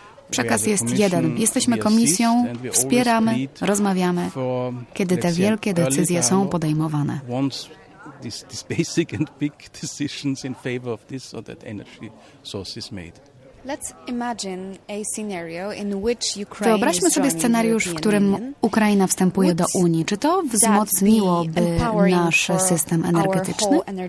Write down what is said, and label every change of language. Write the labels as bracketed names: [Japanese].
[Polish] Przekaz jest jeden. Jesteśmy komisją, wspieramy, rozmawiamy, kiedy te wielkie decyzje są podejmowane. [English] These basic and big decisions in favor of this or that energy source is made. Let's imagine a scenario in which Ukraine. [Polish] Wyobraźmy sobie scenariusz, w którym Ukraina wstępuje do Unii. Czy to wzmocniłoby nasz system energetyczny?